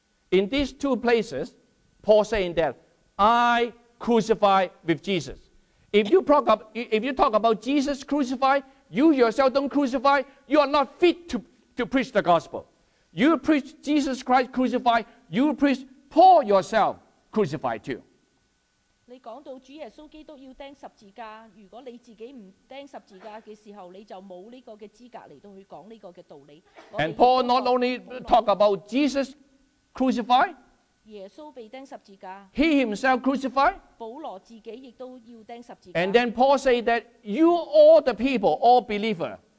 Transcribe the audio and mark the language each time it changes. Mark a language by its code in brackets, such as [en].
[en] In these two places, Paul saying that I. Crucified with Jesus. If you talk about Jesus crucified, you yourself don't crucify, you are not fit to preach the gospel. You preach Jesus Christ crucified, you preach Paul yourself crucified too. [yue] 你讲到主耶稣基督要钉十字架，如果你自己唔钉十字架嘅时候，你就冇呢个嘅资格嚟到去讲呢个嘅道理。 [en] And Paul not only talk about Jesus crucified. [yue] 耶稣被钉十字架。 [en] He himself crucified. [yue] 保罗自己亦都要钉十字架。 [en] And then Paul say that you all the people, all believer.